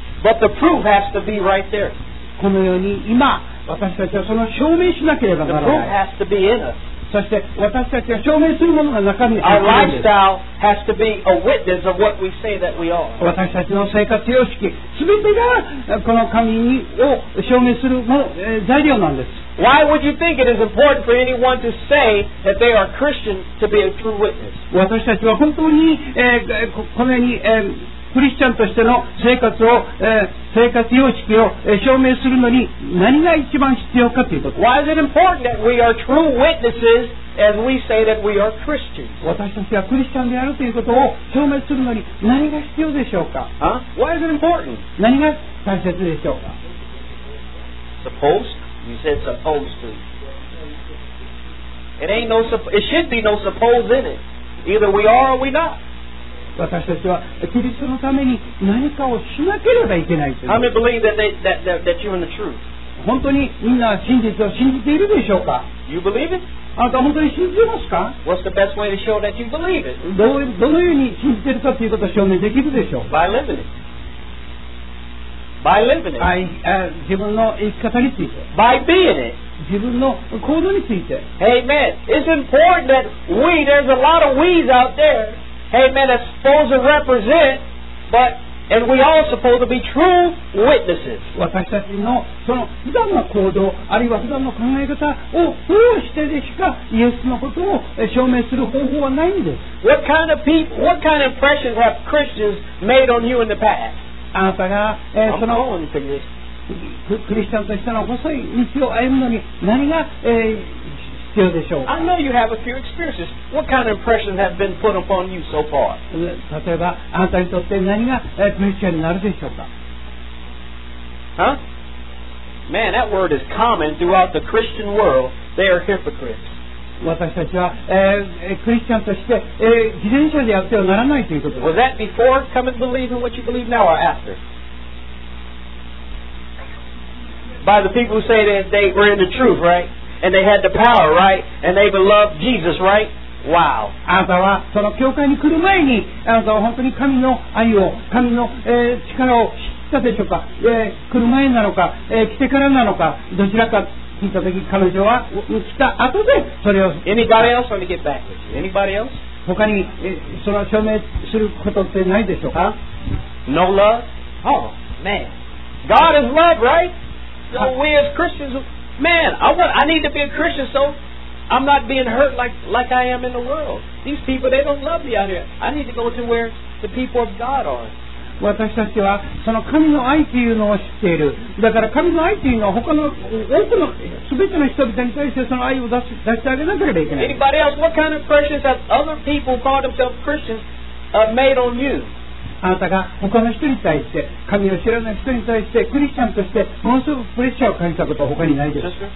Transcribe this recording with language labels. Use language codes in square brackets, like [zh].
[en] But the proof has to be right there. [ja] このように今私たちはその証明しなければならない。 [en] The proof has to be in us. [ja] そして私たちが証明するものが中身にあるんです。 [en] Our lifestyle has to be a witness of what we say that we are. [ja] 私たちの生活様式全てがこの神を証明するもの、材料なんです。 [en] Why would you think it is important for anyone to say that they are Christian to be a true witness? [ja] 私たちは本当に、このように、クリスチャンとしての生活を、生活様式を、証明するのに何が一番必要かということ。 [en] Why is it important that we are true witnesses? As we say that we are Christians. [ja] 私たちはクリスチャンであるということを証明するのに何が必要でしょうか、 [en] huh? Why is it important? [ja] 何が大切でしょうか [en] Supposed? You said supposed to. It ain't no, it should be no suppose in it. Either we are or we not. [ja] 私たちはキリストのために何かをしなければいけないという。 [en] How many believe that, that you're in the truth? [ja] 本当にみんな真実を信じているでしょうか [en] You believe it? [ja] あなた本当に信じますか [en] What's the best way to show that you believe it? [ja] どのように信じているかということを証明できるでしょう [en] By living it. By living it. [ja] By, 自分の生き方について。 [en] By being it. [ja] 自分の行動について。 [en] Amen. It's important that we, there's a lot of we's out there, amen, that's supposed to represent, but... And we all supposed to be true witnesses. [ja] 私たちのその普段の行動あるいは普段の考え方を通してでしかイエスのことを証明する方法はないんです。 [en] What kind of people, what kind of impressions have Christians made on you in the past? [ja] あなたが、そのクリスチャンとしての細い道を歩むのに何が、必要でしょうか? [en] I know you have a few experiences. What kind of impressions have been put upon you so far? [ja] 例えば、あなたにとって何がクリスチャンになるでしょうか? [en] Huh? Man, that word is common throughout the Christian world. They are hypocrites. [ja] 私たちは、クリスチャンとして、自転車であってはならないということです。 [en] Was that before coming to believe in what you believe now or after? By the people who say that they were in the truth, right? And they had the power, right? And they beloved Jesus, right? Wow. [ja] あなたはその教会に来る前にあなたは本当に神の愛を神の、力を知ったでしょうか、来る前なのか、来てからなのかどちらか聞いた時彼女は来た後でそれを [en] Anybody else? Let me get back with you. Anybody else? [ja] 他に、その証明することってないでしょうか、 [en] huh? No love? Oh, man. God is love, right? So we as Christians... Man, I need to be a Christian so I'm not being hurt like I am in the world. These people, they don't love me out here. I need to go to where the people of God are. [ja] 私たちはその神の愛というのを知っている。だから神の愛というのは他の多くの全ての人々に対してその愛を出してあげなければいけない。 [en] Anybody else, what kind of impressions have other people who call themselves Christians made on you? [ja] あなたが他の人に対して神を知らない人に対してクリスチャンとしてものすごくプレッシャーを感じたことは他にないです。